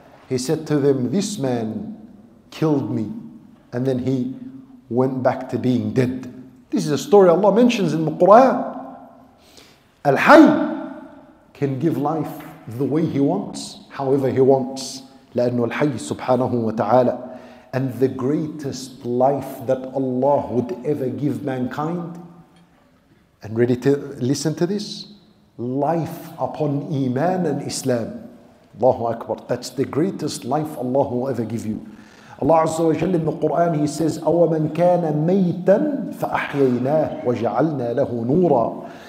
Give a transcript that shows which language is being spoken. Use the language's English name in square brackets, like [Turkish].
[English] He said to them, this man killed me. And then he went back to being dead. This is a story Allah mentions in the Quran. Al-Hay can give life the way he wants, however he wants. [Arabic] لأنه الحي سبحانه وتعالى. [English] And the greatest life that Allah would ever give mankind, and ready to listen to this, life upon Iman and Islam. Allahu Akbar. That's the greatest life Allah will ever give you. Allah Azza wa Jalla in the Quran, He says, [Arabic] أَوَمَنْ كَانَ مَيْتًا فَأَحْيَيْنَاهُ وَجَعَلْنَا لَهُ نُورًا.